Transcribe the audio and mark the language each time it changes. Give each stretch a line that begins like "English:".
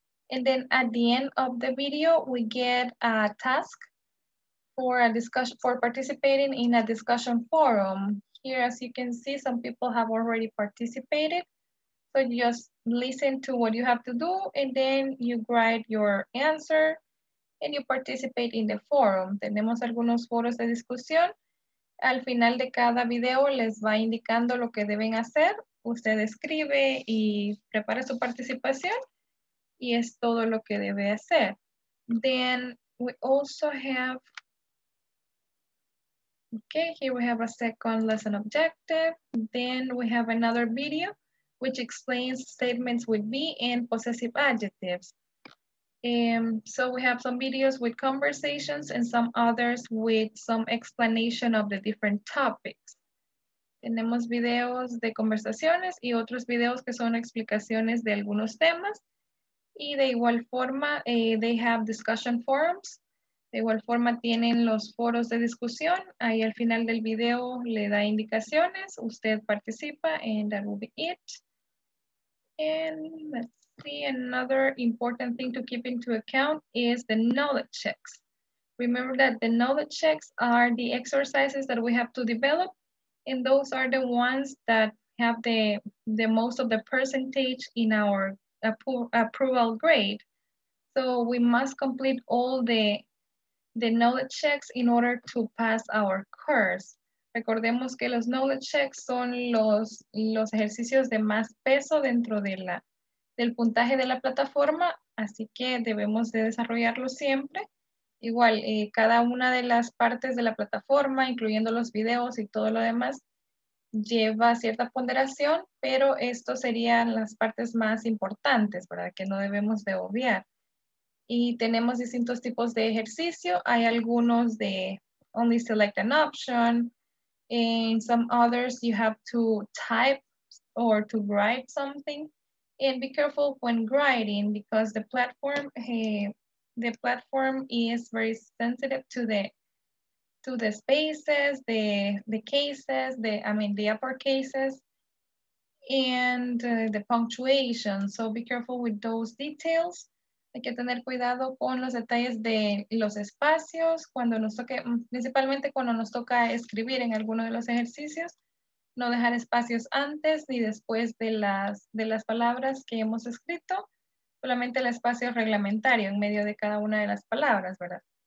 English: And then at the end of the video, we get a task for a discussion, for participating in a discussion forum. Here, as you can see, some people have already participated. So just listen to what you have to do, and then you write your answer, and you participate in the forum.
Spanish: Tenemos algunos foros de discusión. Al final de cada video les va indicando lo que deben hacer. Usted escribe y prepara su participación, y es todo lo que debe hacer.
English: Then we also have, okay, here we have a second lesson objective. Then we have another video, which explains statements with be and possessive adjectives. So we have some videos with conversations and some others with some explanation of the different topics.
Spanish: Tenemos videos de conversaciones y otros videos que son explicaciones de algunos temas. Y de igual forma,
English: they have discussion forums.
Spanish: De igual forma tienen los foros de discusión. Ahí al final del video le da indicaciones. Usted participa
English: and that will be it. And let's see, another important thing to keep into account is the knowledge checks. Remember that the knowledge checks are the exercises that we have to develop, and those are the ones that have the most of the percentage in our approval grade. So we must complete all the knowledge checks in order to pass our course.
Spanish: Recordemos que los knowledge checks son los ejercicios de más peso dentro de del puntaje de la plataforma, así que debemos de desarrollarlo siempre. Igual, cada una de las partes de la plataforma, incluyendo los videos y todo lo demás, lleva cierta ponderación, pero estas serían las partes más importantes, ¿verdad? Que no debemos de obviar. Y tenemos distintos tipos de ejercicio. Hay algunos
English: only select an option. In some others, you have to type or to write something. And be careful when writing because the platform, the platform is very sensitive to the spaces, the cases, the uppercases, and the punctuation. So be careful with those details.
Spanish: Hay que tener cuidado con los detalles de los espacios cuando nos toque, principalmente cuando nos toca escribir en alguno de los ejercicios. No dejar espacios antes ni después de las palabras que hemos escrito. Solamente el espacio reglamentario en medio de cada una de las palabras, ¿verdad?